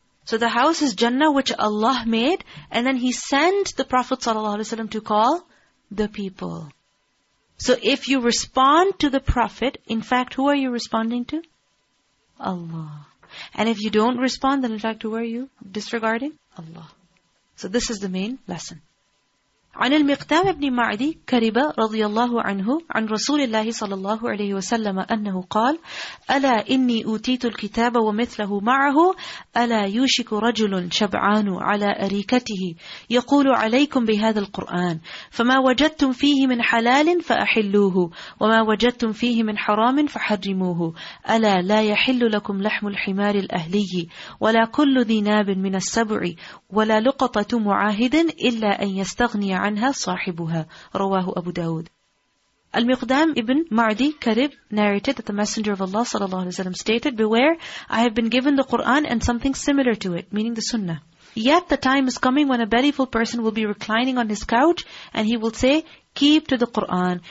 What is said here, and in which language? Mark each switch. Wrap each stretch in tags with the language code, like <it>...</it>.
<en>So the house is Jannah, which Allah made, and then he sent the Prophet ﷺ to call the people. So if you respond to the Prophet, in fact, who are you responding to? Allah. And if you don't respond, then in fact, who are you disregarding? Allah. So this is the main lesson.</en> <ar>عن المقدام بن معدي كربة رضي الله عنه عن رسول الله صلى الله عليه وسلم أنه قال ألا إني أوتيت الكتاب ومثله معه ألا يوشك رجل شبعان على أريكته يقول عليكم بهذا القرآن فما وجدتم فيه من حلال فأحلوه وما وجدتم فيه من حرام فحرموه ألا لا يحل لكم لحم الحمار الأهلي ولا كل ذي ناب من السبع ولا لقطة معاهد إلا أن يستغني عنها صاحبها رواه أبو داود.</ar> <en>المقدام ابن معدي كرب narrated that the Messenger of Allah sallallahu alaihi wasallam stated, "Beware, I have been given the Quran and something similar to it," meaning the Sunnah. Yet the time is coming when a bellyful person will be reclining on his couch and he will say, "Keep to the Quran.</en>